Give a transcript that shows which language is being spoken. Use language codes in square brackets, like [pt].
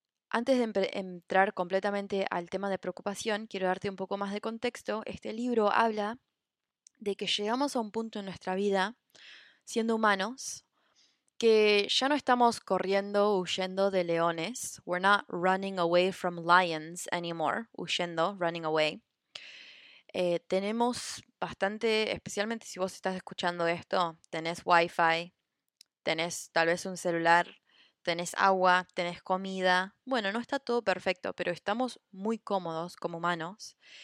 [es] Antes de entrar completamente al tema de preocupación, quiero darte un poco más de contexto. Este libro habla de que llegamos a un punto en nuestra vida, siendo humanos, que ya no estamos corriendo, huyendo de leones. [en] We're not running away from lions anymore. [es] Huyendo, [en] running away. [es] Tenemos bastante, especialmente si vos estás escuchando esto, tenés wifi, tenés tal vez un celular, tenés agua, tenés comida. Bueno, no está todo perfecto, pero estamos muy cómodos como humanos.